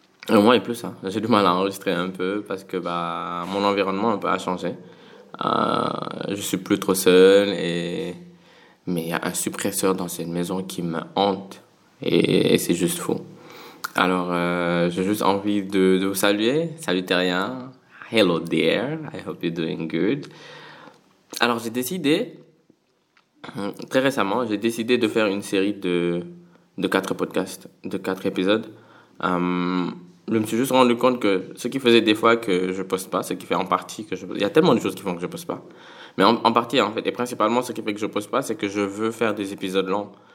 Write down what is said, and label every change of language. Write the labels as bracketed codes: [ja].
[fr] Un mois et plus, hein, j'ai du mal à enregistrer un peu parce que bah, mon environnement un peu a changé. Je suis plus trop seul et mais il y a un suppresseur dans cette maison qui me hante et c'est juste fou. Alors j'ai juste envie de vous saluer. Salut Terrien, [en] hello there, I hope you're doing good. [fr] Alors j'ai décidé très récemment, j'ai décidé de faire une série de 4 podcasts, de 4 épisodes. Je me suis juste rendu compte que ce qui faisait des fois que je poste pas, ce qui fait en partie que je... Il y a tellement de choses qui font que je poste pas. Mais en partie, en fait, et principalement ce qui fait que je poste pas, c'est que je veux faire des épisodes longs.